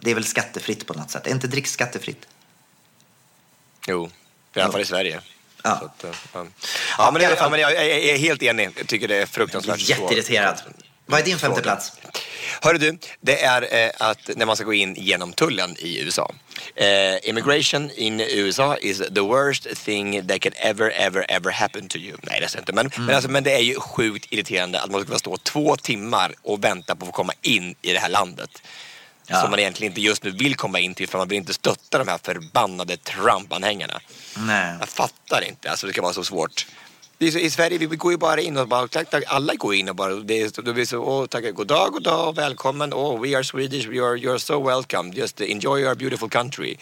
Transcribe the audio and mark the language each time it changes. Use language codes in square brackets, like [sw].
[sv] Det är väl skattefritt på något sätt. Är inte dricks skattefritt? Jo, i alla fall i Sverige. Ja. Så att, ja. Ja, men i alla fall, men jag är helt enig. Jag tycker det är fruktansvärt. Jag är jätteirriterad. Vad är din femte plats? Hör du, det är att när man ska gå in genom tullen i USA. [en] Immigration in USA is the worst thing that can ever, ever, ever happen to you. [sv] Nej, det är inte. Men, men det är ju sjukt irriterande att man ska stå 2 timmar och vänta på att komma in i det här landet. Ja. Som man egentligen inte just nu vill komma in till, för man vill inte stötta de här förbannade Trump-anhängarna. Nej. Jag fattar inte, alltså det kan vara så svårt. I Sverige, vi går ju bara in och bara, tack, tack, alla går in och bara, god dag, välkommen, [en] oh, we are Swedish, you are so welcome, just enjoy our beautiful country.